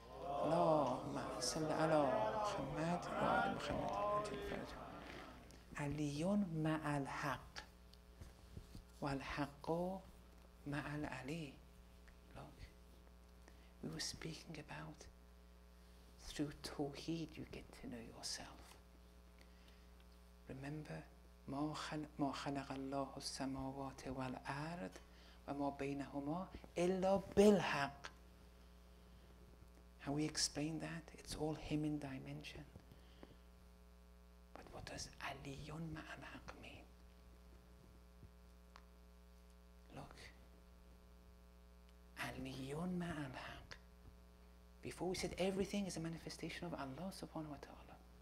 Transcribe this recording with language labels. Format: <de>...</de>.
<ar>Allahumma salli ala Muhammad wa ala Muhammad</ar> <en>until Fajr.</en> <ar>Aliyun ma'al haqq. Wal haqqu ma'al ali.</ar> <en>Look. We were speaking about through tawheed you get to know yourself. Remember,</en> <ar>مَا خَلَقَ اللَّهُ السَّمَاوَاتِ وَالْأَرْضِ وَمَا بَيْنَهُمَا إِلَّا بِالْحَقِّ.</ar> <en>How we explain that? It's all him in dimension. But what does Aliyun Ma'al Haq mean? Look. Aliyun Ma'al Haq. Before we said everything is a manifestation of Allah subhanahu wa ta'ala.</en>